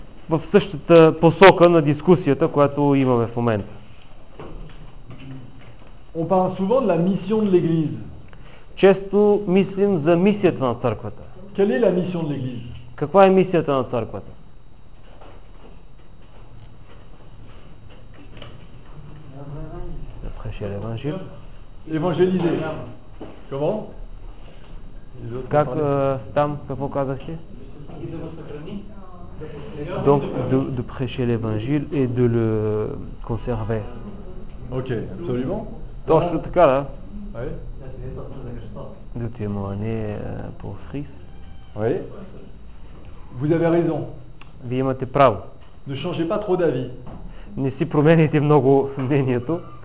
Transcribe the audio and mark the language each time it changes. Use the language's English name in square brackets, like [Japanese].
[Bulgarian] В същата посока на дискусията, която имаме в момента. [French] On parle souvent de la mission de l'église. [Bulgarian] Често мислим за мисията на църквата. [French] Quelle est la mission de l'église? [Bulgarian] Каква е мисията на църквата? [French] Prêcher l'évangile. Évangéliser. Comment? [Bulgarian] Как там, какво казахте? И да го съхрани. [French] Donc de prêcher l'évangile et de le conserver. OK, absolument. [Bulgarian] Точно Donc, така, да? [French] Oui. De témoigner pour Christ. Oui. Vous avez raison. [Bulgarian] Вие имате право. [French] Ne changez pas trop d'avis. [Bulgarian] Не си променяйте много мнението.